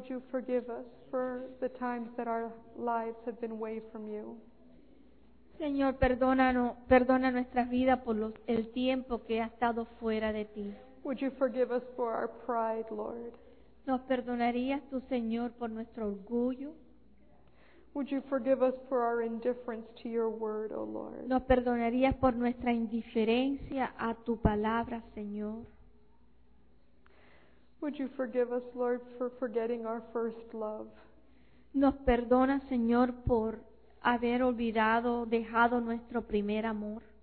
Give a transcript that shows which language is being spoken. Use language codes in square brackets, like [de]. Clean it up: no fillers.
[en] forgive us for the times that our lives have been away from you. [es] Señor, perdona nuestras vidas por el tiempo que ha estado fuera de ti. [en] Would you forgive us for our pride, Lord? [es] ¿Nos perdonarías tú, Señor, por nuestro orgullo? [en] Would you forgive us for our indifference to your word, O Lord? [es] ¿Nos perdonarías por nuestra indiferencia a tu palabra, Señor? [en] Would you forgive us, Lord, for forgetting our first love? [es] Nos perdona, Señor, por haber olvidado, dejado nuestro primer amor.